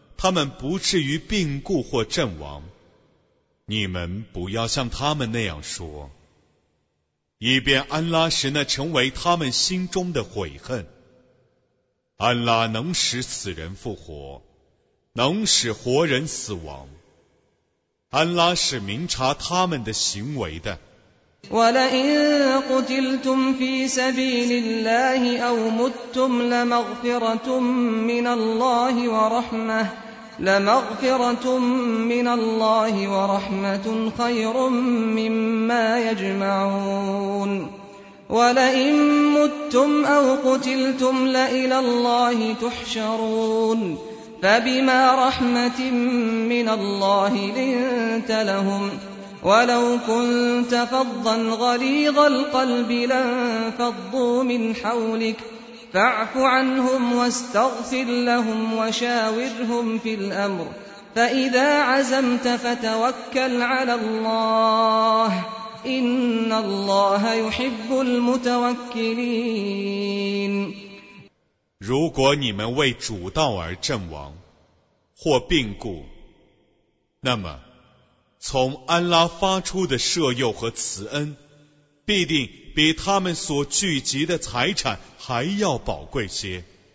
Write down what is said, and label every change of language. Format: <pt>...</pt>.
<zh>安拉却已束饶他们，安拉却是至赦的，却是至容的。信教的人们啊，你们不要像不信教的人一样，当他们的同胞出门病故或阵亡前线的时候，他们说：假若他们同我们坐在家里，那么他们不至于病故或阵亡。你们不要像他们那样说，以便安拉使那成为他们心中的悔恨。安拉能使死人复活，能使活人死亡。安拉是明察他们的行为的。</zh> <ar>ولئن قتلتم في سبيل الله أو متتم لمغفرة من الله ورحمة خير مما يجمعون ولئن متم أو قتلتم لإلى الله تحشرون فبما رحمة من الله لنت لهم ولو كنت فظا غليظ القلب لانفضوا من حولك فاعف عنهم واستغفر لهم وشاورهم في الأمر فإذا عزمت فتوكل على الله إن الله يحب المتوكلين</ar> <zh>如果你们为主道而阵亡或病故，那么从安拉发出的赦宥和慈恩必定比他们所聚集的财产还要宝贵些。</zh>